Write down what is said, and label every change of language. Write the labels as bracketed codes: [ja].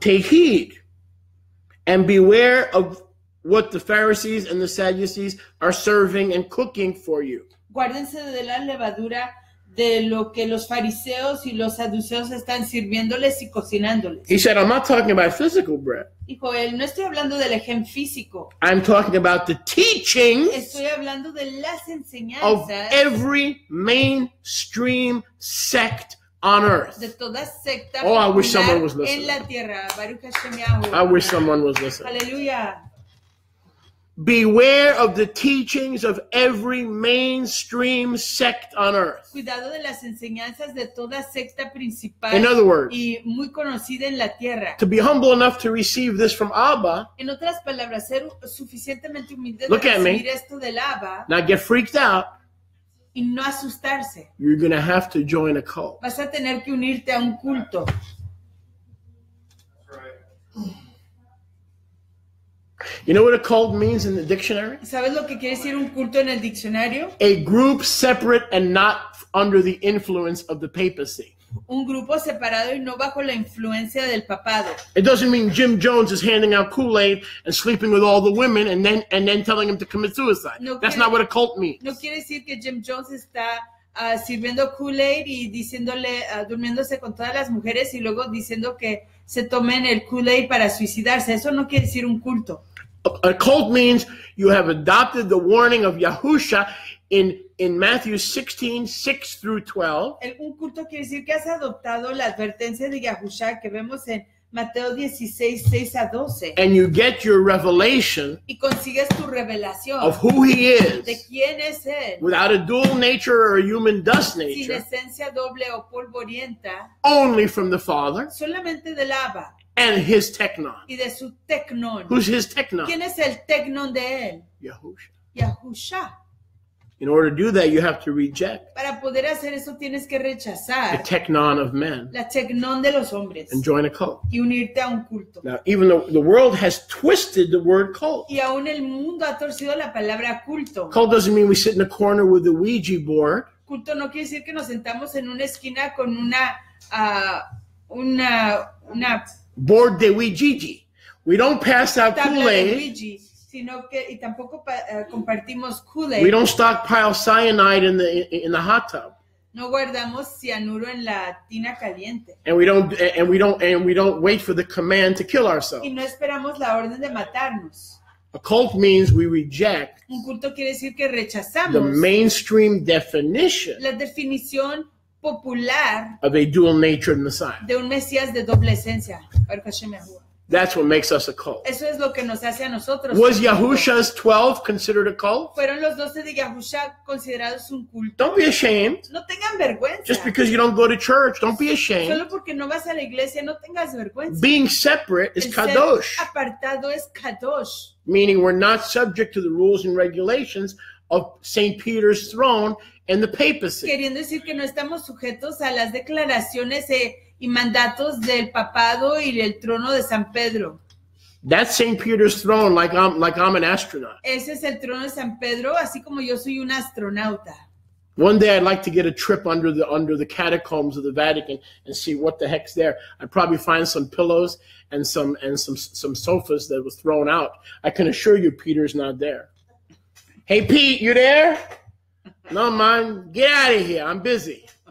[en] Take heed and beware of what the Pharisees and the Sadducees are serving and cooking for you. [es] Guárdense de la levadura de lo que los fariseos y los saduceos están sirviéndoles y cocinándoles. [en] He said, I'm not talking about physical bread. [es] Dijo él, no estoy hablando del ejem físico. [en] I'm talking about the teachings. [es] Estoy hablando de las enseñanzas. [en] Of every mainstream sect on earth. [es] De toda secta. [en] Oh, I wish someone was listening. [es] En la tierra. [he] Baruch Hashem Yahweh. [en] I wish someone was listening. Hallelujah. Beware of the teachings of every mainstream sect on earth. [es] Cuidado de las enseñanzas de toda secta principal. [en] In other words, [es] y muy conocida en la tierra. [en] To be humble enough to receive this from Abba. [es] En otras palabras, ser suficientemente humilde [en] look [es] de recibir [en] at me. [es] Esto del Abba. [en] Not get freaked out. [es] Y no asustarse. [en] You're going to have to join a cult. [es] Vas a tener que unirte a un culto. [en] You know what a cult means in the dictionary? [es] ¿Sabes lo que quiere decir un culto en el diccionario? [en] A group separate and not under the influence of the papacy. [es] Un grupo separado y no bajo la influencia del papado. [en] It doesn't mean Jim Jones is handing out Kool-Aid and sleeping with all the women and then telling him to commit suicide. That's not what a cult means. [es] No quiere decir que Jim Jones está sirviendo Kool-Aid y diciéndole durmiéndose con todas las mujeres y luego diciendo que se tomen el Kool-Aid para suicidarse. Eso no quiere decir un culto. [en] A cult means you have adopted the warning of Yahushua in Matthew 16:6 through 12. [es] Un culto quiere decir que has adoptado la advertencia de Yahushua que vemos en Mateo 16:6-12. [en] And you get your revelation. [es] Y consigues tu revelación. [en] Of who he is. [es] De quién es él. [en] Without a dual nature or a human dust nature. [es] Sin esencia doble o polvorienta. [en] Only from the Father. [es] Solamente del Abba. [en] And his technon. [es] Y de su technon. [en] Who's his technon? [es] ¿Quién es el technon de él? [en] Yahushua. [es] Yahushua. [en] In order to do that, you have to reject. [es] Para poder hacer eso, tienes que rechazar. [en] The technon of men. [es] La technon de los hombres. [en] And join a cult. [es] Y unirte a un culto. [en] Now, even the world has twisted the word cult. [es] Y aún el mundo ha torcido la palabra culto. [en] Cult doesn't mean we sit in a corner with a Ouija board. [es] Culto no quiere decir que nos sentamos en una esquina con una board de Ouija. [en] We don't pass out Kool-Aid. [es] Sino que, y tampoco compartimos Kool-Aid. [en] We don't stockpile cyanide in the hot tub. [es] No guardamos cianuro en la tina caliente. [en] And we don't wait for the command to kill ourselves. [es] Y no esperamos la orden de matarnos. [en] A cult means we reject. [es] Un culto quiere decir que rechazamos. [en] The mainstream definition. [es] La definición popular. [en] Of a dual nature Messiah. [es] De un Mesías de doble esencia. [he] Baruch Hashem Yahuwah. [en] That's what makes us a cult. [es] Eso es lo que nos hace a nosotros. [en] Was Yahusha's 12 considered a cult? [es] ¿Fueron los 12 de Yahusha considerados un culto? [en] Don't be ashamed. [es] No tengan vergüenza. [en] Just because you don't go to church, don't be ashamed. [es] Solo porque no vas a la iglesia, no tengas vergüenza. [en] Being separate is [es] el [en] kadosh. [es] Apartado es kadosh. [en] Meaning we're not subject to the rules and regulations of St. Peter's throne and the papacy. [es] Queriendo decir que no estamos sujetos a las declaraciones y mandatos del papado y del trono de San Pedro. [en] That's St. Peter's throne, like I'm an astronaut. [es] Ese es el trono de San Pedro, así como yo soy un astronauta. [en] One day I'd like to get a trip under the catacombs of the Vatican and see what the heck's there. I'd probably find some pillows and some sofas that were thrown out. I can assure you Peter's not there. Hey, Pete, you there? No, man, get out of here. I'm busy.